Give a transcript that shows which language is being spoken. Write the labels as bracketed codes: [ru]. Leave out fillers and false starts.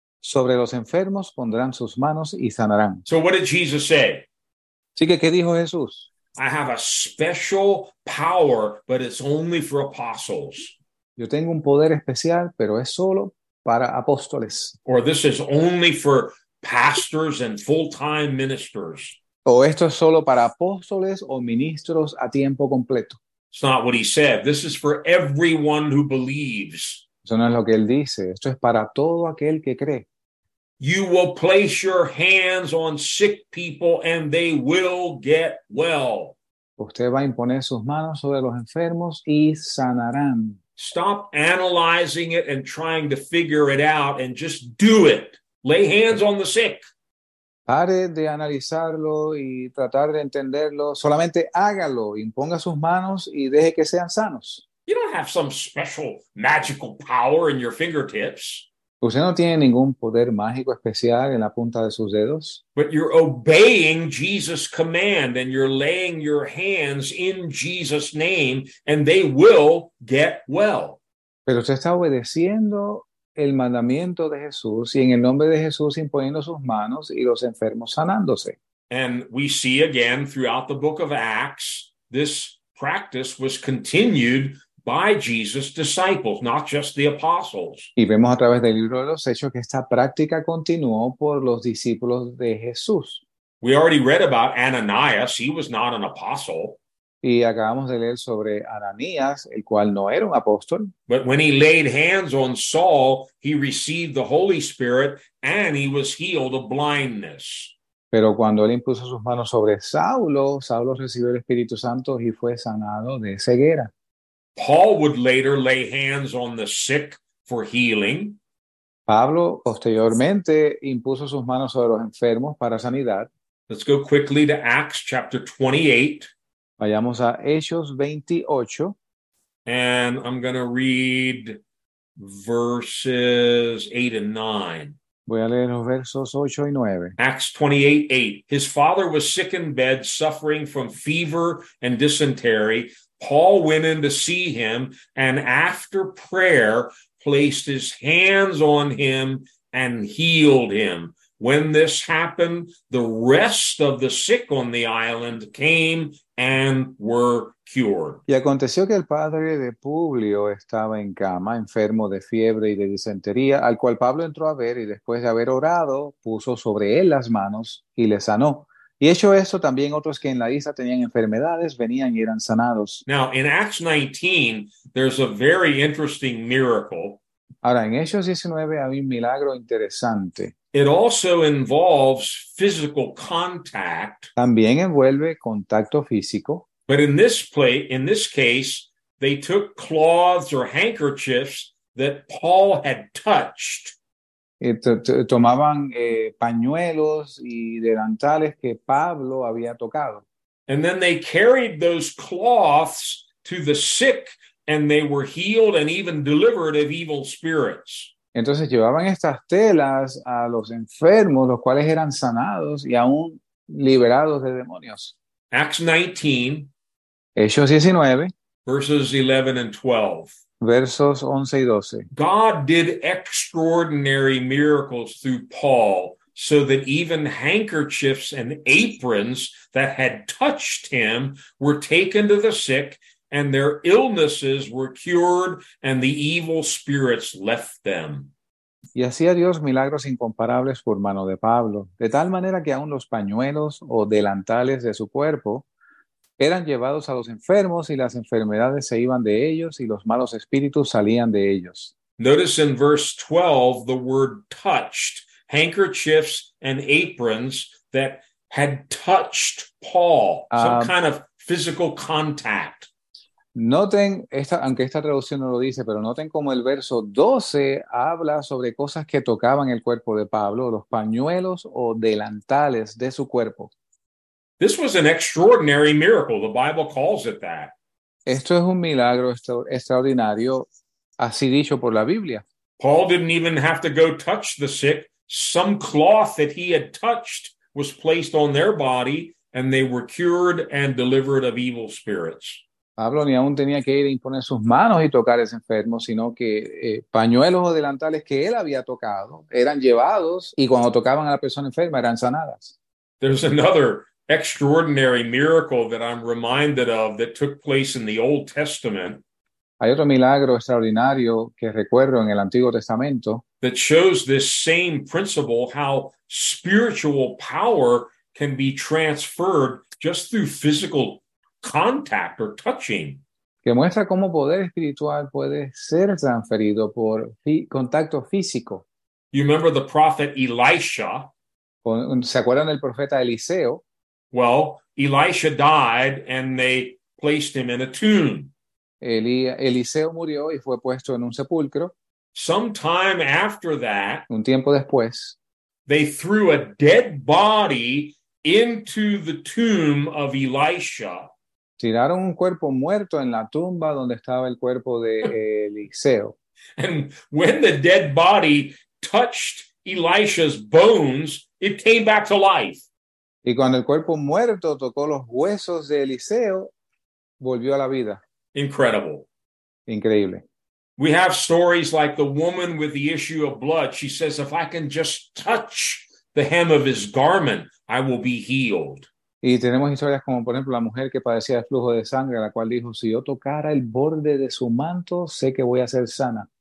[es] Sobre los enfermos pondrán sus manos y sanarán. [en] So what did Jesus say? [es] Así que, ¿qué dijo Jesús? [en] I have a special power, but it's only for apostles. [es] Yo tengo un poder especial, pero es solo para apóstoles. [en] Or this is only for pastors and full-time ministers. [es] O esto es solo para apóstoles o ministros a tiempo completo. [en] It's not what he said. This is for everyone who believes. [es] Eso no es lo que él dice. Esto es para todo aquel que cree. [en] You will place your hands on sick people and they will get well. [es] Usted va a imponer sus manos sobre los enfermos y sanarán. [en] Stop analyzing it and trying to figure it out and just do it. Lay hands on the sick. [es] Pare de analizarlo y tratar de entenderlo. Solamente hágalo. Imponga sus manos y deje que sean sanos. [en] You don't have some special magical power in your fingertips. [es] Usted no tiene ningún poder mágico especial en la punta de sus dedos. [en] But you're obeying Jesus' command and you're laying your hands in Jesus' name and they will get well. [es] Pero usted está obedeciendo el mandamiento de Jesús y en el nombre de Jesús imponiendo sus manos y los enfermos sanándose. [en] And we see again throughout the book of Acts, this practice was continued by Jesus' disciples, not just the apostles. [es] Y vemos a través del libro de los Hechos que esta práctica continuó por los discípulos de Jesús. [en] We already read about Ananias. He was not an apostle. [es] Y acabamos de leer sobre Ananías, el cual no era un apóstol. [en] But when he laid hands on Saul, he received the Holy Spirit and he was healed of blindness. [es] Pero cuando él impuso sus manos sobre Saulo, Saulo recibió el Espíritu Santo y fue sanado de ceguera. [en] Paul would later lay hands on the sick for healing. [es] Pablo posteriormente impuso sus manos sobre los enfermos para sanidad. [en] Let's go quickly to Acts chapter 28. [es] Vayamos a Hechos 28. [en] And I'm going to read verses 8 and 9. [es] Voy a leer los versos 8 y 9. [en] Acts 28, 8. His father was sick in bed, suffering from fever and dysentery. Paul went in to see him and after prayer placed his hands on him and healed him. When this happened, the rest of the sick on the island came and were cured. [es] Y aconteció que el padre de Publio estaba en cama, enfermo de fiebre y de disentería, al cual Pablo entró a ver y después de haber orado, puso sobre él las manos y le sanó. Y hecho esto, también otros que en la isla tenían enfermedades venían y eran sanados. [en] Now, in Acts 19, there's a very interesting miracle. [es] Ahora, en Hechos 19 hay un milagro interesante. [en] It also involves physical contact. [es] También envuelve contacto físico. [en] But in this case, they took cloths or handkerchiefs that Paul had touched. [es] Tomaban pañuelos y delantales que Pablo había tocado. [en] And then they carried those cloths to the sick and they were healed and even delivered of evil spirits. [es] Entonces llevaban estas telas a los enfermos, los cuales eran sanados y aún liberados de demonios. [en] Acts 19, [es] Hechos 19, [en] verses 11 and 12. [es] Versos 11 y 12. [en] God did extraordinary miracles through Paul, so that even handkerchiefs and aprons that had touched him were taken to the sick, and their illnesses were cured, and the evil spirits left them. [es] Y hacía Dios milagros incomparables por mano de Pablo, de tal manera que aun los pañuelos o delantales de su cuerpo eran llevados a los enfermos y las enfermedades se iban de ellos y los malos espíritus salían de ellos. [en] Notice in verse 12 the word touched, handkerchiefs and aprons that had touched Paul, some kind of physical contact. [es] Noten, esta, aunque esta traducción no lo dice, pero noten cómo el verso 12 habla sobre cosas que tocaban el cuerpo de Pablo, los pañuelos o delantales de su cuerpo. [en] This was an extraordinary miracle. The Bible calls it that. [es] Esto es un milagro extraordinario, así dicho por la Biblia. [en] Paul didn't even have to go touch the sick. Some cloth that he had touched was placed on their body and they were cured and delivered of evil spirits. [es] Pablo ni aún tenía que ir a imponer sus manos y tocar a ese enfermo, sino que pañuelos o delantales que él había tocado eran llevados y cuando tocaban a la persona enferma eran sanadas. [en] There's another extraordinary miracle that I'm reminded of that took place in the Old Testament. [es] Hay otro milagro extraordinario que recuerdo en el Antiguo Testamento. [en] That shows this same principle, how spiritual power can be transferred just through physical contact or touching. [es] Que muestra cómo poder espiritual puede ser transferido por contacto físico. [en] You remember the prophet Elisha? [es] ¿Se acuerdan del profeta Eliseo? [en] Well, Elisha died and they placed him in a tomb. [es] Eliseo murió y fue puesto en un sepulcro. [en] Sometime after that, [es] un tiempo después, [en] they threw a dead body into the tomb of Elisha. [es] Tiraron un cuerpo muerto en la tumba donde estaba el cuerpo de Eliseo. [en] And when the dead body touched Elisha's bones, it came back to life. [es] Y cuando el cuerpo muerto tocó los huesos de Eliseo, volvió a la vida. [en] Incredible. [es] Increíble. [en] We have stories like the woman with the issue of blood. She says, if I can just touch the hem of his garment, I will be healed. [es] Y tenemos historias como, por ejemplo, la mujer que padecía de flujo de sangre, la cual dijo, si yo tocara el borde de su manto, sé que voy a ser sana.